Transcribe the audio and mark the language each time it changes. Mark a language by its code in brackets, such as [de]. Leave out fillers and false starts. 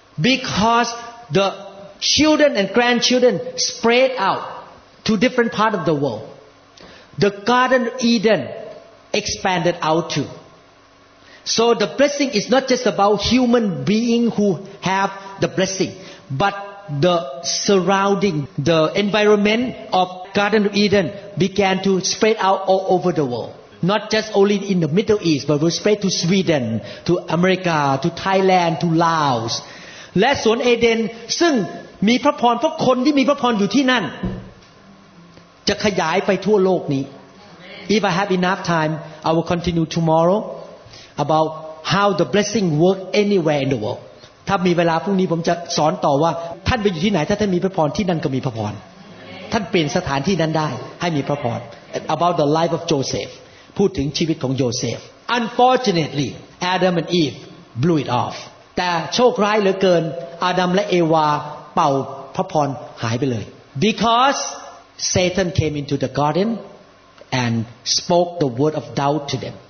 [en] because the children and grandchildren spread out to different part of the world the garden Eden expanded out toSo the blessing is not just about human being who have the blessing, but the surrounding, the environment of Garden of Eden began to spread out all over the world. Not just only in the Middle East, but will spread to Sweden, to America, to Thailand, to Laos. [th] และสวนเอเดนซึ่งมีพระพรเพราะคนที่มีพระพรอยู่ที่นั่นจะขยายไปทั่วโลกนี้ [en] If I have enough time, I will continue tomorrow. About how the blessing work anywhere in the world. [th] ถ้ามีเวลาพรุ่งนี้ผมจะสอนต่อว่าท่านไปอยู่ที่ไหนถ้าท่านมีพระพรที่นั่นก็มีพระพรท่านเปลี่ยนสถานที่นั้นได้ให้มีพระพร [en] About the life of Joseph. [th] พูดถึงชีวิตของโยเซฟ [en] Unfortunately, Adam and Eve blew it off. [th] แต่โชคร้ายเหลือเกินอาดัมและเอวาเป่าพระพรหายไปเลย [en] Because Satan came into the garden and spoke the word of doubt to them.